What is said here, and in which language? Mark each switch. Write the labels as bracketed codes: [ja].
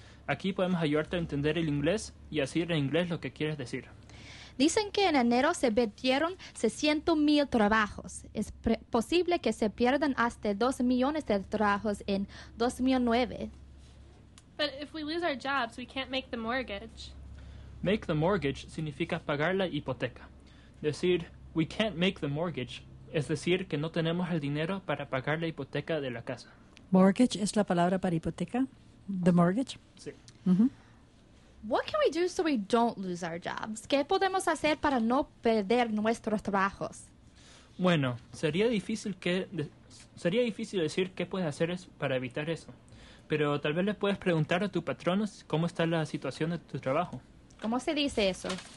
[es] Aquí podemos ayudarte a entender el inglés y decir en inglés lo que quieres decir. Dicen que en enero se perdieron 600,000 trabajos. Es posible que se pierdan hasta 2 millones de trabajos en 2009. [en] But if we lose our jobs, we can't make the mortgage. [es] Make the mortgage significa pagar la hipoteca. Decir, [en] we can't make the mortgage, [es] es decir, que no tenemos el dinero para pagar la hipoteca de la casa. Mortgage es la palabra para hipoteca. The mortgage? Sí. [en] What can we do so we don't lose our jobs? [es] ¿Qué podemos hacer para no perder nuestros trabajos? Bueno, sería difícil decir qué puedes hacer para evitar eso. Pero tal vez le puedes preguntar a tu patrón cómo está la situación de tu trabajo. ¿Cómo se dice eso?